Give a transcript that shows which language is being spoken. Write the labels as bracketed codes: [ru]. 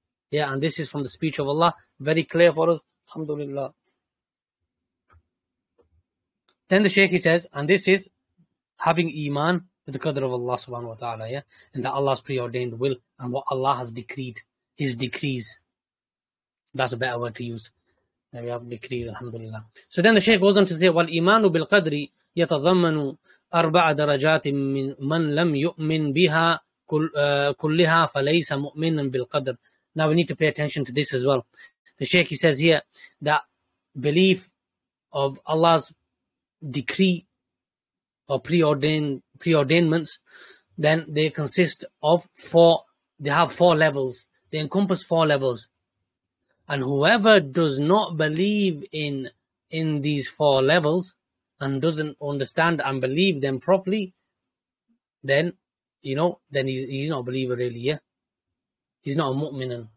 [en] Yeah, and this is from the speech of Allah, very clear for us. Alhamdulillah. Then the Shaykh, he says, and this is having Iman with the Qadr of Allah subhanahu wa ta'ala, yeah, and that Allah's preordained will and what Allah has decreed, his decrees. That's a better word to use. Then we have decrees, alhamdulillah. So then the Shaykh goes on to say, [ar] وَالْإِيمَانُ بِالْقَدْرِ يَتَضَمَّنُ أَرْبَعَ دَرَجَاتٍ مِّنْ مَنْ لَمْ يُؤْمِنْ بِهَا كُلِّهَا فَلَيْسَ مُؤْمِنًا بِالْقَدْرِ. [en] Now we need to pay attention to this as well. The Shaykh, he says here that belief of Allah's decree or preordainments, then they consist of four, they have four levels. They encompass four levels. And whoever does not believe in these four levels and doesn't understand and believe them properly, then, you know, then he's not a believer really, yeah? He's not a mu'minan.